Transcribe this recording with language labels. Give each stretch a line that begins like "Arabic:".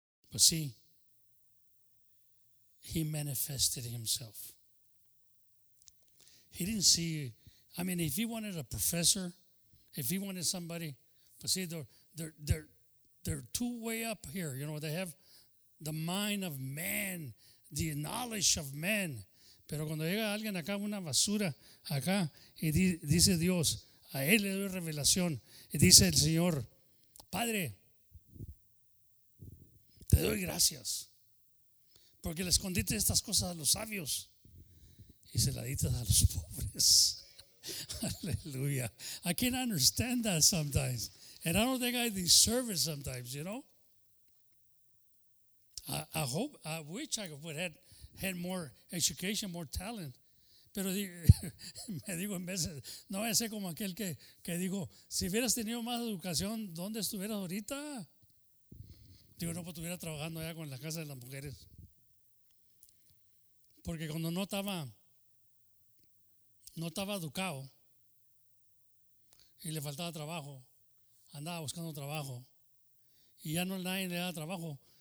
English: But see, he manifested himself. He didn't see, I mean, if he wanted a professor, if he wanted somebody, but see, they're too way up here. You know, they have the mind of man, the knowledge of man.
Spanish: Pero cuando llega alguien acá, una basura, acá, y dice Dios, a él le doy revelación, y dice el Señor, Padre, te doy gracias, porque le escondiste estas cosas a los sabios, y se las diste a los pobres.
English: Hallelujah. I can't understand that sometimes. And I don't think I deserve it sometimes, you know? I wish I would have had more education, more talent.
Spanish: Pero me digo en veces, no voy a ser como aquel que digo, si hubieras tenido más educación, ¿dónde estuvieras ahorita? Digo, no, pues estuviera trabajando allá con la casa de las mujeres. Porque cuando no estaba educado y le faltaba trabajo, andaba buscando trabajo y ya no nadie le daba trabajo.